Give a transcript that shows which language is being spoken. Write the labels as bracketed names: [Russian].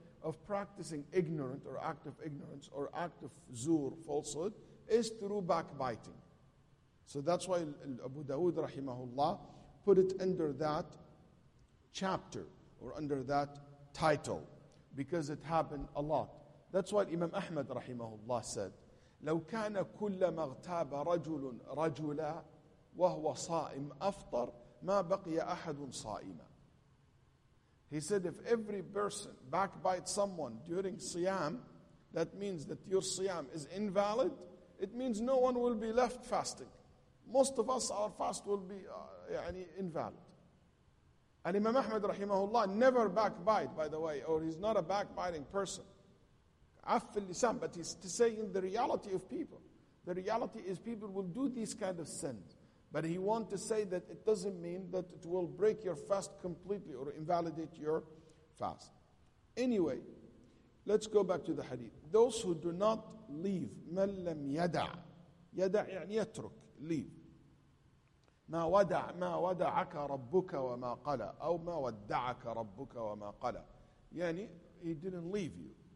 [English] of practicing ignorant or act of ignorance or act of zur, falsehood, is through backbiting. So that's why Abu Dawood rahimahullah put it under that chapter or under that title, because it happened a lot. That's why Imam Ahmad rahimahullah said, [Arabic] لو كان كل ما اغتاب رجل رجلا وهو صائم أفطر ما بقي أحد صائما. [English] He said, if every person backbites someone during Siyam, that means that your Siyam is invalid. It means no one will be left fasting. Most of us, our fast will be invalid. And Imam Ahmad rahimahullah never backbite, by the way, or he's not a backbiting person. But he's saying the reality of people. The reality is people will do these kind of sins. But he wants to say that it doesn't mean that it will break your fast completely or invalidate your fast. Anyway, let's go back to the hadith. Those who do not leave, [Arabic] مَنْ لَمْ يَدَعْ يَدَعْ يعني يترك, [English] leave. [Arabic] مَا وَدَعْ مَا وَدَعَكَ رَبُّكَ وَمَا قَلَى أو مَا وَدَّعَكَ رَبُّكَ وَمَا قَلَى يعني [English] he didn't leave you.